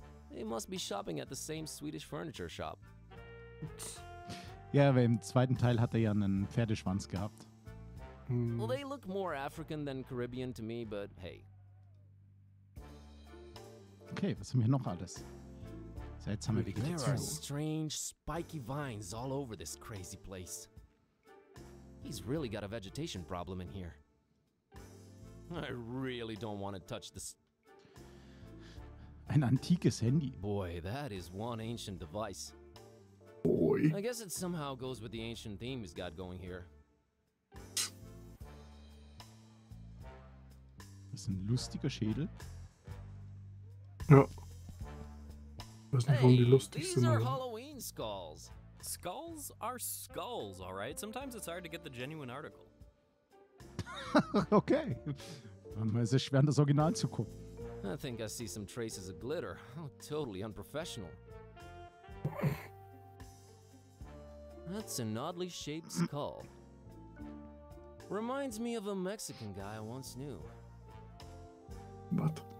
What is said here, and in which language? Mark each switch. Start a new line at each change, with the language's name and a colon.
English: They must be shopping at the same Swedish furniture shop.
German: Ja, aber im zweiten Teil hat er ja einen Pferdeschwanz gehabt.
English: Well, they look more African than Caribbean to me, but hey.
German: Okay, was haben wir noch alles? Seltsame Vegetation.
English: There are strange, spiky vines all over this crazy place. He's really got a vegetation problem in here. I really don't want to touch this.
German: Ein antikes Handy.
English: Boy, that is one ancient device. Boy. I guess it somehow goes with the ancient theme he's got going here.
German: Das ist ein lustiger Schädel. Ja. Was sind
English: hey,
German: die lustigsten?
English: These are Halloween skulls. Skulls are skulls, all right? Sometimes it's hard to get the genuine article. Okay.
German: Manchmal ist es schwer, das Original zu gucken.
English: I think I see some traces of glitter. Oh, totally unprofessional. That's an oddly shaped skull. Reminds me of a Mexican guy I once knew. What?